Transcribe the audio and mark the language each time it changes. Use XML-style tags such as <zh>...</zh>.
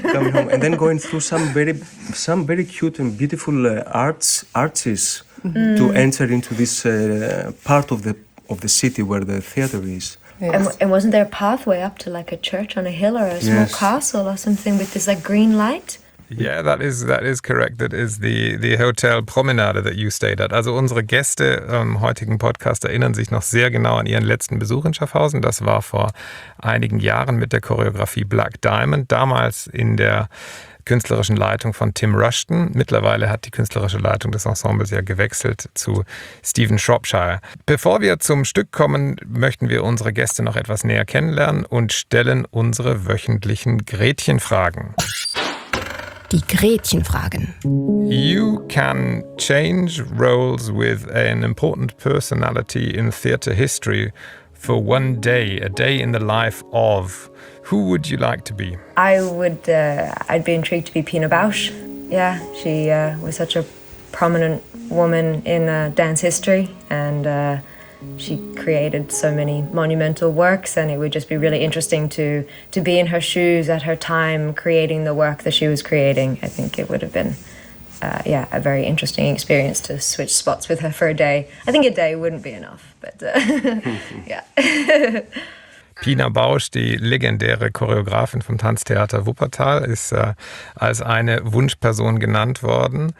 <en>Coming home and then going through some very cute and beautiful arches to enter into this part of the city where the theater is. Yes. And wasn't there a pathway up to like a church on a hill or a small castle or something with this like green light? Yeah, that is correct. That is the Hotel Promenade that you stayed at.</en> <de>Also unsere Gäste im heutigen Podcast erinnern sich noch sehr genau an ihren letzten Besuch in Schaffhausen. Das war vor einigen Jahren mit der Choreografie Black Diamond, damals in der künstlerischen Leitung von Tim Rushton. Mittlerweile hat die künstlerische Leitung des Ensembles ja gewechselt zu Stephen Shropshire. Bevor wir zum Stück kommen, möchten wir unsere Gäste noch etwas näher kennenlernen und stellen unsere wöchentlichen Gretchenfragen. Die Gretchenfragen.</de> <en>You can change roles with an important personality in theater history for one day, a day in the life of. Who would you like to be? I'd be intrigued to be Pina Bausch. Yeah, she was such a prominent woman in dance history, and she created so many monumental works, and it would just be really interesting to be in her shoes at her time creating the work that she was creating. I think it would have been a very interesting experience to switch spots with her for a day. I think a day wouldn't be enough, but yeah.</en> <de>Pina Bausch, die legendäre Choreografin vom Tanztheater Wuppertal, ist als eine Wunschperson genannt worden.</de>